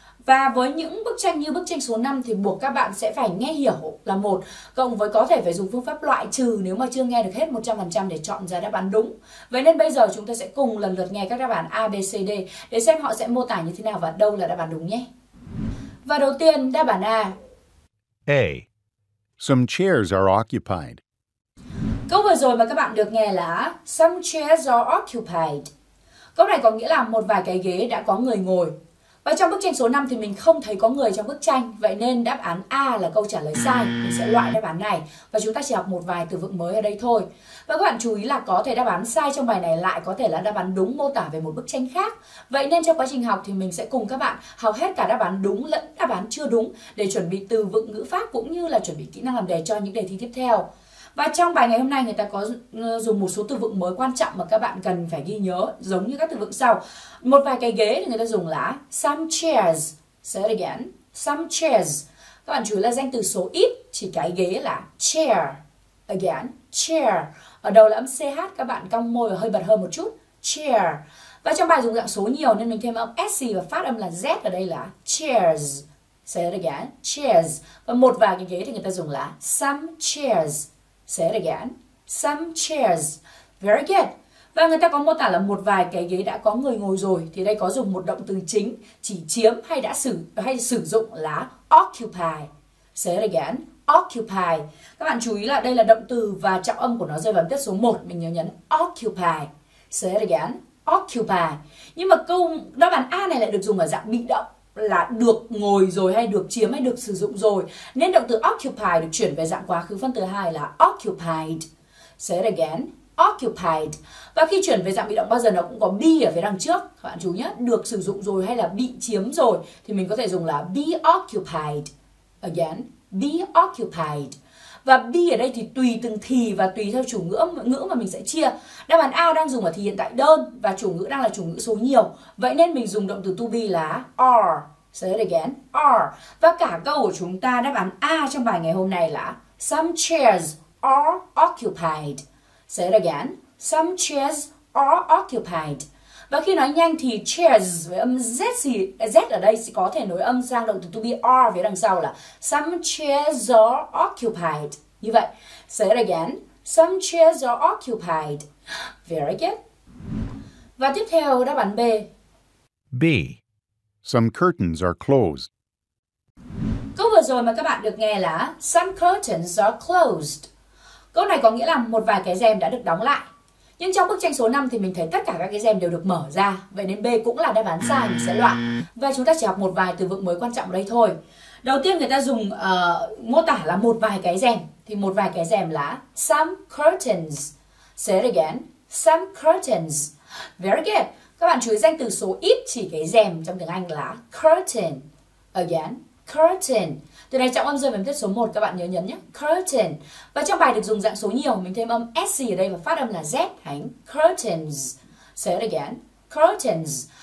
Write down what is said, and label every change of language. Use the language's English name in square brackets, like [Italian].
[Vietnamese] Và với những bức tranh như bức tranh số 5 thì buộc các bạn sẽ phải nghe hiểu là một, cộng với có thể phải dùng phương pháp loại trừ nếu mà chưa nghe được hết 100% để chọn ra đáp án đúng. Vậy nên bây giờ chúng ta sẽ cùng lần lượt nghe các đáp án A, B, C, D để xem họ sẽ mô tả như thế nào và đâu là đáp án đúng nhé. Và đầu tiên đáp án A. A. [English] Some chairs are occupied. [Vietnamese] Câu vừa rồi mà các bạn được nghe là some chairs are occupied. Câu này có nghĩa là một vài cái ghế đã có người ngồi. Và trong bức tranh số 5 thì mình không thấy có người trong bức tranh. Vậy nên đáp án A là câu trả lời sai. Mình sẽ loại đáp án này. Và chúng ta chỉ học một vài từ vựng mới ở đây thôi. Và các bạn chú ý là có thể đáp án sai trong bài này lại có thể là đáp án đúng mô tả về một bức tranh khác. Vậy nên trong quá trình học thì mình sẽ cùng các bạn học hết cả đáp án đúng lẫn đáp án chưa đúng để chuẩn bị từ vựng ngữ pháp cũng như là chuẩn bị kỹ năng làm đề cho những đề thi tiếp theo. Và trong bài ngày hôm nay người ta có dùng một số từ vựng mới quan trọng mà các bạn cần phải ghi nhớ giống như các từ vựng sau. Một vài cái ghế thì người ta dùng là some chairs. Say it again. Some chairs. Các bạn chú ý là danh từ số ít, chỉ cái ghế là chair. Again, chair. Ở đầu là âm CH, các bạn cong môi và hơi bật hơn một chút. Chair. Và trong bài dùng dạng số nhiều nên mình thêm âm SC và phát âm là Z ở đây là chairs. Say it again, chairs. Và một vài cái ghế thì người ta dùng là some chairs. [English] Say it again, some chairs. Very good. [Vietnamese] Và người ta có mô tả là một vài cái ghế đã có người ngồi rồi, thì đây có dùng một động từ chính chỉ chiếm hay đã sử hay sử dụng là occupy. Say it again, occupy. Các bạn chú ý là đây là động từ và trọng âm của nó rơi vào âm tiết số 1, mình nhớ nhấn occupy. Say it again, occupy. Nhưng mà câu đáp án A này lại được dùng ở dạng bị động là được ngồi rồi hay được chiếm hay được sử dụng rồi, nên động từ occupy được chuyển về dạng quá khứ phân từ 2 là occupied. Say it again, occupied. Và khi chuyển về dạng bị động bao giờ nó cũng có be ở phía đằng trước. Các bạn chú nhé, được sử dụng rồi hay là bị chiếm rồi thì mình có thể dùng là be occupied. Again, be occupied. Và be ở đây thì tùy từng thì và tùy theo chủ ngữ mà mình sẽ chia. Đáp án A đang dùng ở thì hiện tại đơn và chủ ngữ đang là chủ ngữ số nhiều. Vậy nên mình dùng động từ to be là are. Say it again, are. Và cả câu của chúng ta đáp án A trong bài ngày hôm nay là some chairs are occupied. Say it again, some chairs are occupied. Và khi nói nhanh thì chairs với âm Z ở đây sẽ có thể nối âm sang động từ to be are phía đằng sau là some chairs are occupied. Như vậy, say it again, some chairs are occupied. Very good. Và tiếp theo đáp án B. B. [English] Some curtains are closed. [Vietnamese] Câu vừa rồi mà các bạn được nghe là some curtains are closed. Câu này có nghĩa là một vài cái rèm đã được đóng lại. Nhưng trong bức tranh số 5 thì mình thấy tất cả các cái rèm đều được mở ra. Vậy nên B cũng là đáp án sai, mình sẽ loại. Và chúng ta chỉ học một vài từ vựng mới quan trọng ở đây thôi. Đầu tiên người ta dùng mô tả là một vài cái rèm. Thì một vài cái rèm là some curtains. [English] Say it again, some curtains. Very good. [Vietnamese] Các bạn chú ý danh từ số ít chỉ cái rèm trong tiếng Anh là curtain. Again, curtain. Từ này trọng âm rơi vào âm tiết số 1, các bạn nhớ nhấn nhé. Curtain. Và trong bài được dùng dạng số nhiều, mình thêm âm SC ở đây và phát âm là Z. [English] Thành curtains. Say it again. Curtains.